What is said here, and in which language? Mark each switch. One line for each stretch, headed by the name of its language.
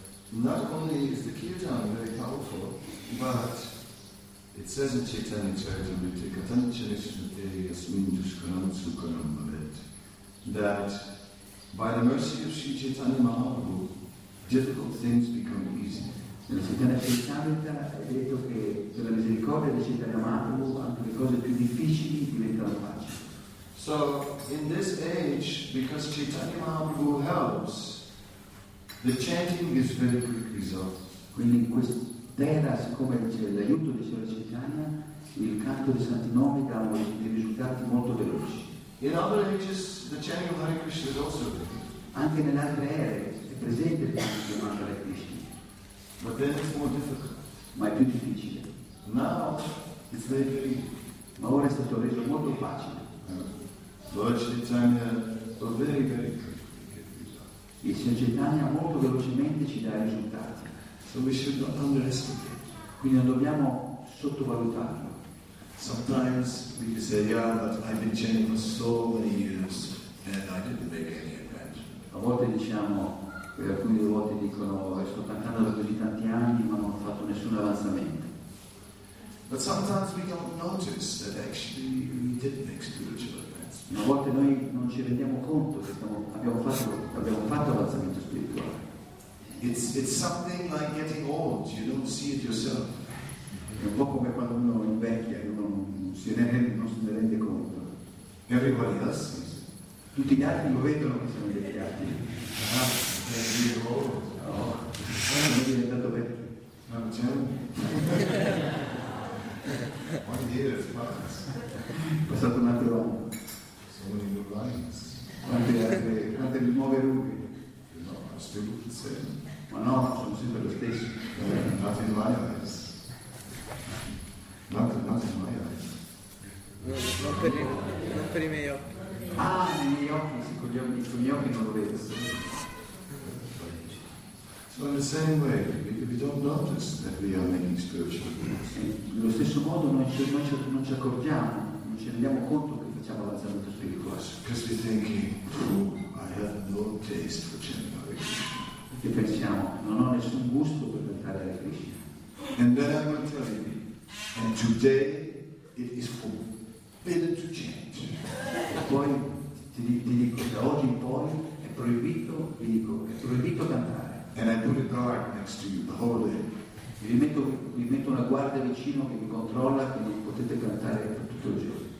English: Not only is the Kirtan very powerful, but it says in Chaitanya Charitamrita,
Sanskrit: Katanchana Smriti Yasmin Dushkaram Sukaram Bhavet,
English: that by the mercy of Sri Chaitanya Mahaprabhu, difficult things become easy.
Italian: Nella Chaitanya Charitamrita è detto che per la misericordia di Chaitanya Mahaprabhu anche le cose più difficili diventano facili.
English: So, in this age, because Chaitanya Mahaprabhu helps, the chanting is very quick result.
Italian: Quindi in quest'era, siccome c'è l'aiuto di Sri Chaitanya, il canto dei santi nomi dà dei risultati molto veloci.
English: In other ages, the chanting of Hare Krishna is also good.
Italian: Anche nelle altre ere è presente il canto di Hare Krishna.
English: But then it's more difficult.
Italian: Ma è più difficile.
English: Now, it's very easy.
Italian: Ma ora è stato reso molto facile.
English: Lord Chaitanya, so very, very good.
Italian: Il Signor Chaitanya molto velocemente ci dà i risultati.
English: So we should not underestimate.
Italian: Quindi non dobbiamo sottovalutarlo.
English: Sometimes we can say, yeah, but I've been chanting for so many years and I didn't make any advantage.
Italian: A volte diciamo, e alcune delle volte dicono, sto cantando da così tanti anni ma non ho fatto nessun avanzamento.
English: But sometimes we don't notice that actually we didn't make spiritual advantage.
Italian: A volte noi non ci rendiamo conto che abbiamo fatto l'avanzamento spirituale.
English: It's something like getting old, you don't see it yourself.
Italian: È un po' come quando uno invecchia, uno non se ne rende conto.
English: Everybody else sees it.
Italian: Tutti gli altri lo vedono che siamo invecchiati. Ah, è vero. Oh, sono diventato vecchio. Ma c'è un...
English: One year has passed.
Italian: È passato un altro anno. Quante nuove rughe?
English: No, still look the same.
Italian: Ma no, sono sempre lo stesso.
English: Not in my eyes. Not in my eyes.
Italian: No, non per i miei occhi. Ah, nei miei occhi, sì, con gli occhi non lo vedo.
English: So in the same way, we don't notice that we are making spiritual progress.
Italian: Nello stesso modo non ci accorgiamo, non ci rendiamo conto che facciamo l'avanzamento spirituale.
English: Because we're thinking, I have no taste for chanting Hare Krishna.
Italian: E pensiamo, non ho nessun gusto per cantare Hare Krishna.
English: And then I'm going to tell you, and today it is forbidden to chant.
Italian: E poi ti dico, da oggi in poi è proibito, ti dico, è proibito cantare.
English: And I put a guard next to you the whole day.
Italian: E vi metto una guardia vicino che vi controlla che non potete cantare per tutto il giorno.